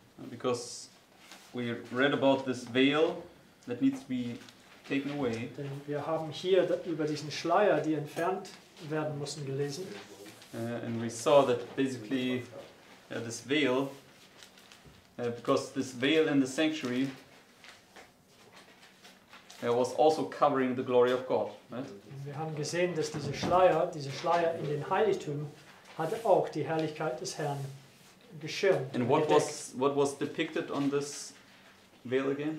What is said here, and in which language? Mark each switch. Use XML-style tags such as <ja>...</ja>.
<en>Because we read about this veil that needs to be taken away.</en> <de>Denn wir haben hier über diesen Schleier, die entfernt werden mussten, gelesen.</de> <en>And we saw that basically this veil, because this veil in the sanctuary was also covering the glory of God, right?</en> <de>Wir haben gesehen, dass dieser Schleier in den Heiligtum hatte auch die Herrlichkeit des Herrn geschirmt.</de> <en>And what was depicted on this veil again?</en>